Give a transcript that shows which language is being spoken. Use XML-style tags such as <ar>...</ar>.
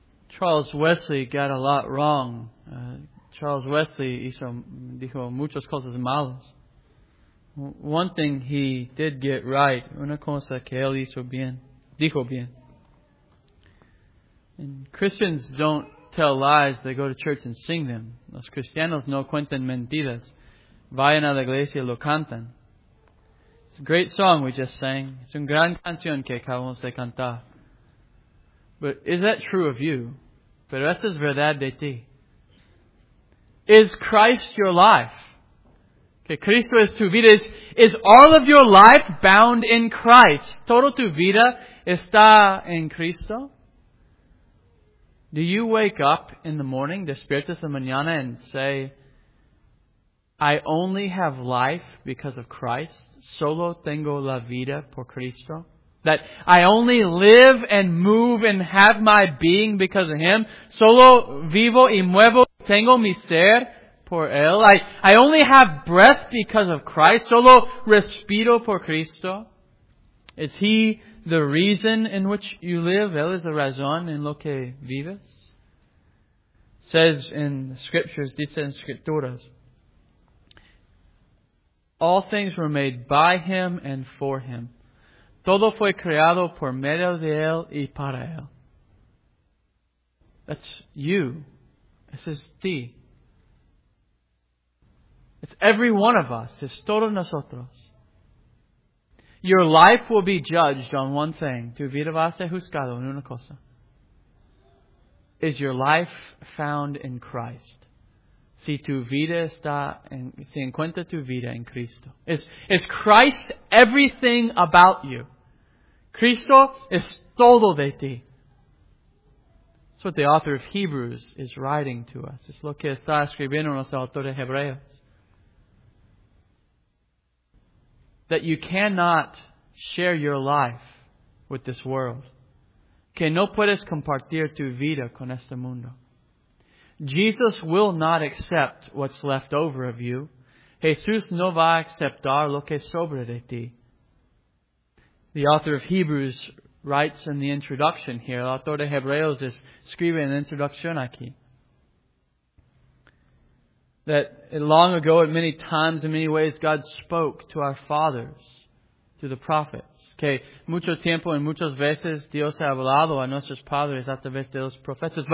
<en>Charles Wesley got a lot wrong.</en> <es>Charles Wesley dijo muchas cosas malas.</es> <en>One thing he did get right,</en> <es>una cosa que él hizo bien, dijo bien.</es> <en>And Christians don't tell lies, they go to church and sing them.</en> <es>Los cristianos no cuentan mentiras, vayan a la iglesia y lo cantan.</es> <en>It's a great song we just sang.</en> <es>Es una gran canción que acabamos de cantar.</es> <en>But is that true of you?</en> <es>Pero esa es verdad de ti.</es> <en>Is Christ your life?</en> <es>Que Cristo es tu vida.</es> <en>Is all of your life bound in Christ?</en> <es>Todo tu vida está en Cristo?</es> <en>Do you wake up in the morning,</en> <es>despiertas de mañana,</es> <en>and say, I only have life because of Christ.</en> <es>Solo tengo la vida por Cristo.</es> <en>That I only live and move and have my being because of Him.</en> <es>Solo vivo y muevo. Tengo mi ser por Él.</es> <en>I only have breath because of Christ.</en> <es>Solo respiro por Cristo.</es> <en>Is He the reason in which you live?</en> <es>Él es la razón en lo que vives.</es> <en>Says in Scriptures,</en> <es>dice en Scripturas,</es> <en>all things were made by Him and for Him.</en> <es>Todo fue creado por medio de Él y para Él.</es> <en>That's you. This is ti. It's every one of us.</en> <es>Es todos nosotros.</es> <en>Your life will be judged on one thing.</en> <es>Tu vida va a ser juzgado en una cosa.</es> <en>Is your life found in Christ?</en> <es>Si tu vida está en, si encuentra tu vida en Cristo.</es> <en>Is Christ everything about you?</en> <es>Cristo es todo de ti.</es> <en>That's what the author of Hebrews is writing to us.</en> <es>Es lo que está escribiendo nuestro autor de Hebreos.</es> <en>That you cannot share your life with this world.</en> <es>Que no puedes compartir tu vida con este mundo.</es> <en>Jesus will not accept what's left over of you.</en> <es>Jesús no va a aceptar lo que sobra de ti.</es> <en>The author of Hebrews writes in the introduction here.</en> <es>El autor de Hebreos es escribe en la introducción aquí.</es> <en>That long ago, at many times and many ways, God spoke to our fathers through the prophets.</en> <es>Que mucho tiempo y muchas veces Dios ha hablado a nuestros padres a través de los profetas.</es>